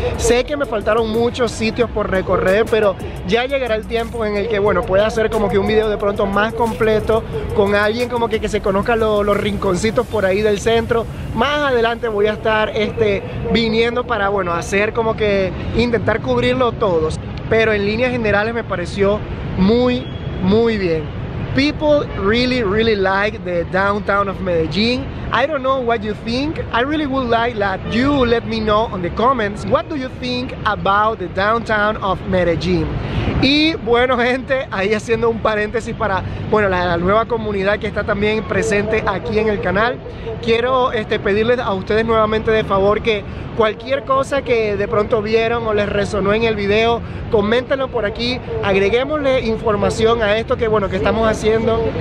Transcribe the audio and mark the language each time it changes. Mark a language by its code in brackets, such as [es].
[es] Sé que me faltaron muchos sitios por recorrer, pero ya llegará el tiempo en el que, bueno, pueda hacer como que un video de pronto más completo con alguien como que se conozca los rinconcitos por ahí del centro. Más adelante voy a estar viniendo para, bueno, hacer como que intentar cubrirlo todos. Pero en líneas generales me pareció muy, muy bien. [en] People really, really like the downtown of Medellín. I don't know what you think. I really would like that you let me know in the comments. What do you think about the downtown of Medellín? [es] Y bueno, gente, ahí haciendo un paréntesis para, bueno, la nueva comunidad que está también presente aquí en el canal. Quiero pedirles a ustedes nuevamente de favor que cualquier cosa que de pronto vieron o les resonó en el video, coméntenlo por aquí, agreguémosle información a esto que, bueno, que estamos haciendo.